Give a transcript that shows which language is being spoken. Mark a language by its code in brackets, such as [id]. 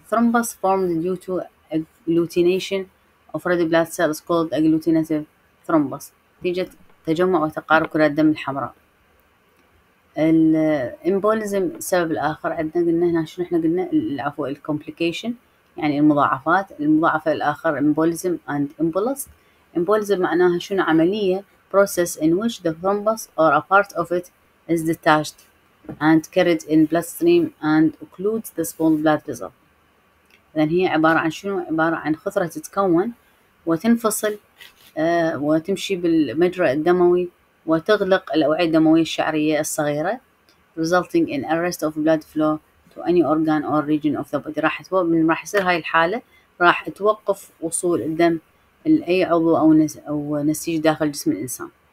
[en] thrombus formed due to agglutination of red blood cells is called agglutinative thrombus، [ar] نتيجة تجمع وتقارب كرات الدم الحمراء. الامبوليزم السبب الآخر عندنا، قلنا هنا شنو احنا قلنا؟ العفو الكومبليكيشن يعني المضاعفات. المضاعفة الآخر امبوليزم and embolus. [en] embolism [ar] معناها شنو؟ عملية [en] process in which the thrombus or a part of it is detached and carried in bloodstream and occludes the small blood vessel. [ar] إذن هي عبارة عن شنو؟ عبارة عن خثرة تتكون وتنفصل وتمشي بالمجرى الدموي وتغلق الأوعية الدموية الشعرية الصغيرة، [en] resulting in arrest of blood flow to any organ or region of the body. [ar] راح يصير هاي الحالة، راح توقف وصول الدم لأي عضو أو نسيج داخل جسم الإنسان.